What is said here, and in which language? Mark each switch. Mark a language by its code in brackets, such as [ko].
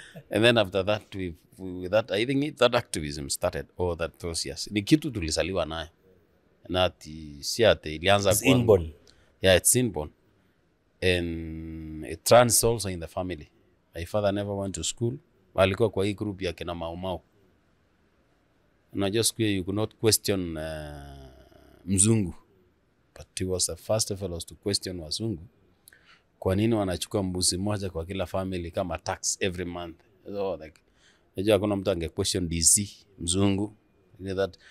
[en] And then after that, I think that activism started. Oh, that was yes. [sw] Ni kitu tulizaliwa nayo. Na ati si ati ilianza kwa inborn. [en] Yeah, it's inborn. And it runs also in the family. My father never went to school. [sw] Walikuwa kwa hii group ya kina Mau Mau. [en] And I just queer, you could not question mzungu. But he was the first fellows to question [sw] wazungu. Kwa nini wanachukua mbuzi moja kwa kila family kama tax every month? So like, najua kuna mtu ange question DC, mzungu. That.